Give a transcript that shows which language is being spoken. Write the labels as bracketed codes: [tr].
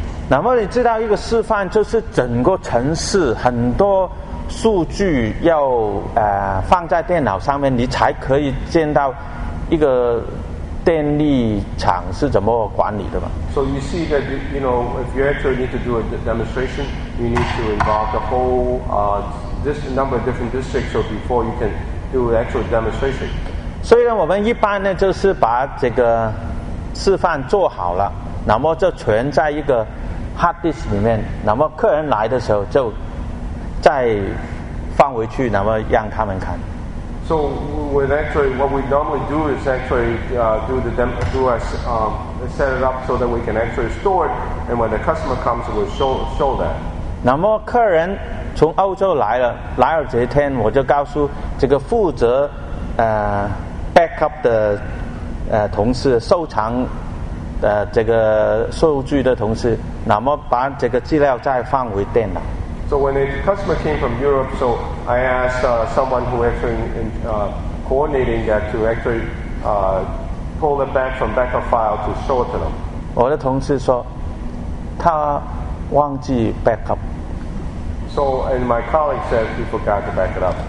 [zh] 那么你知道一个示范就是整个城市很多数据要放在电脑上面，你才可以见到一个电力厂是怎么管理的嘛。 [en] So you see that you know if you actually need to do a demonstration, you need to involve the whole this number of different districts so before you can do an actual demonstration. [zh] 虽然我们一般呢就是把这个示范做好了，那么就存在一个 hard disk 里面，那么客人来的时候就再放回去，那么让他们看。 [en] So with actually what we normally do is actually do the demo, do us set it up so that we can actually store it, and when the customer comes, we'll show that. [zh] 那么客人从欧洲来了，来了这一天，我就告诉这个负责backup 的同事，收藏这个数据的同事，那么把这个资料再放回电脑。 [en] So when a customer came from Europe, so I asked someone who actually in coordinating that to actually pull it back from backup file to show it to them. [zh] 我的同事说，他忘记 backup。 [en] So and my colleague said he forgot to back it up.